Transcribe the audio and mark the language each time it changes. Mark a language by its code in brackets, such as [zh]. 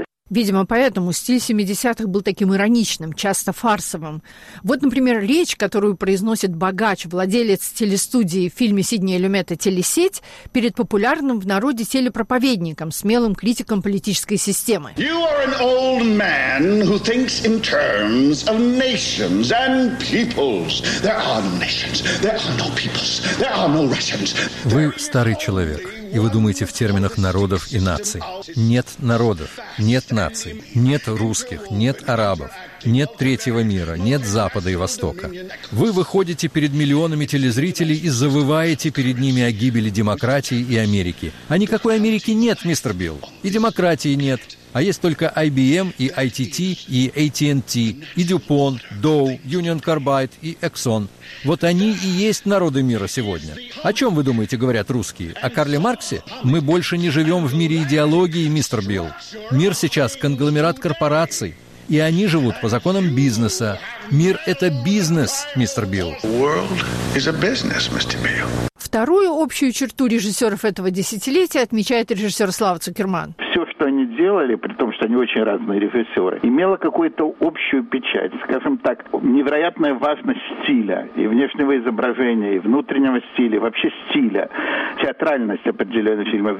[ru] Видимо, поэтому стиль 70-х был таким ироничным, часто фарсовым. Вот, например, речь, которую произносит богач, владелец телестудии в фильме Сидния Люмета «Телесеть», перед популярным в народе телепроповедником, смелым критиком политической системы. [en] You are an old man who thinks in terms of nations and peoples. There are no nations, there are no peoples, there are no Russians. [ru] Вы старый человек. И вы думаете в терминах народов и наций. Нет народов, нет наций, нет русских, нет арабов, нет третьего мира, нет Запада и Востока. Вы выходите перед миллионами телезрителей и завываете перед ними о гибели демократии и Америки. А никакой Америки нет, мистер Билл. И демократии нет. А есть только IBM и ITT и AT&T, и DuPont, Dow, Union Carbide и Exxon. Вот они и есть народы мира сегодня. О чем, вы думаете, говорят русские? О Карле Марксе? Мы больше не живем в мире идеологии, мистер Билл. Мир сейчас – конгломерат корпораций. И они живут по законам бизнеса. Мир – это бизнес, мистер Билл. [en] World is a business, мистер Билл. [ru] Вторую общую черту режиссеров этого десятилетия отмечает режиссер Слава Цукерман. Все, что они делали, при том, что они очень разные режиссеры, имело какую-то общую печать. Скажем так, невероятная важность стиля и внешнего изображения, и внутреннего стиля, и вообще стиля, театральность определенных фильмов.